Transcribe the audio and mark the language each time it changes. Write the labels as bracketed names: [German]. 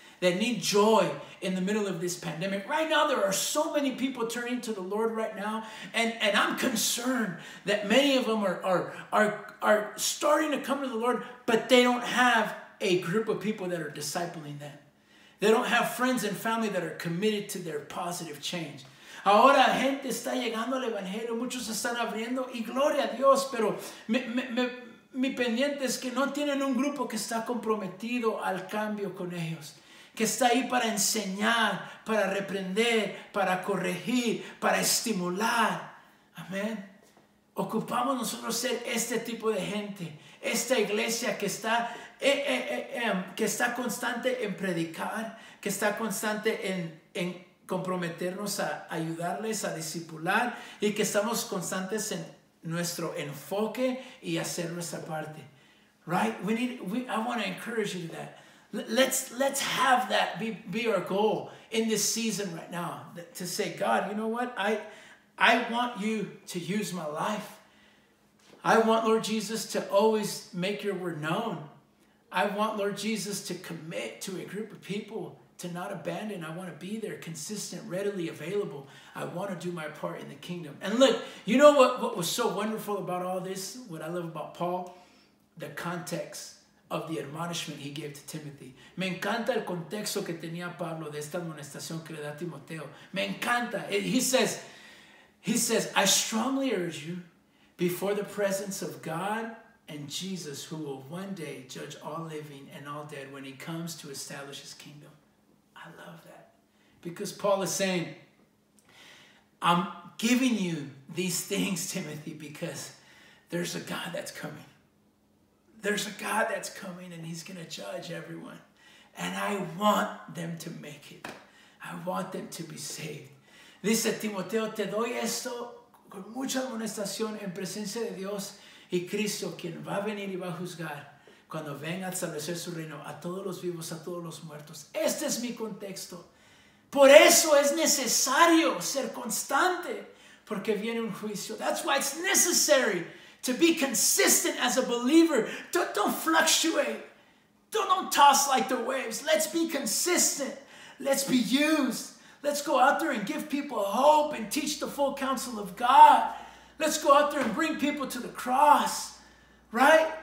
[English] That need joy in the middle of this pandemic. Right now, there are so many people turning to the Lord right now. And I'm concerned that many of them are starting to come to the Lord, but they don't have a group of people that are discipling them. They don't have friends and family that are committed to their positive change. [Spanish] Ahora gente está llegando al Evangelio. Muchos están abriendo. Y gloria a Dios, pero mi pendiente es que no tienen un grupo que está comprometido al cambio con ellos. Que está ahí para enseñar, para reprender, para corregir, para estimular. Amén. Ocupamos nosotros ser este tipo de gente. Esta iglesia que está constante en predicar, que está constante en comprometernos a ayudarles, a discipular, y que estamos constantes en nuestro enfoque y hacer nuestra parte. [English] Right? I want to encourage you to that. Let's have that be our goal in this season right now, to say, God, you know what? I want you to use my life. I want, Lord Jesus, to always make your word known. I want, Lord Jesus, to commit to a group of people, to not abandon. I want to be there, consistent, readily available. I want to do my part in the kingdom. And look, you know what was so wonderful about all this, what I love about Paul? The context of the admonishment he gave to Timothy. [Spanish] Me encanta el contexto que tenía Pablo de esta admonestación que le da a Timoteo. Me encanta. [English] He says, I strongly urge you before the presence of God and Jesus, who will one day judge all living and all dead when he comes to establish his kingdom. I love that. Because Paul is saying, I'm giving you these things, Timothy, because there's a God that's coming. There's a God that's coming and he's going to judge everyone. And I want them to make it. I want them to be saved. [Spanish] Dice Timoteo, te doy esto con mucha amonestación en presencia de Dios y Cristo, quien va a venir y va a juzgar. cuando venga a establecer su reino a todos los vivos, a todos los muertos. Este es mi contexto. Por eso es necesario ser constante, porque viene un juicio. [English] That's why it's necessary to be consistent as a believer. Don't fluctuate. Don't toss like the waves. Let's be consistent. Let's be used. Let's go out there and give people hope and teach the full counsel of God. Let's go out there and bring people to the cross, right?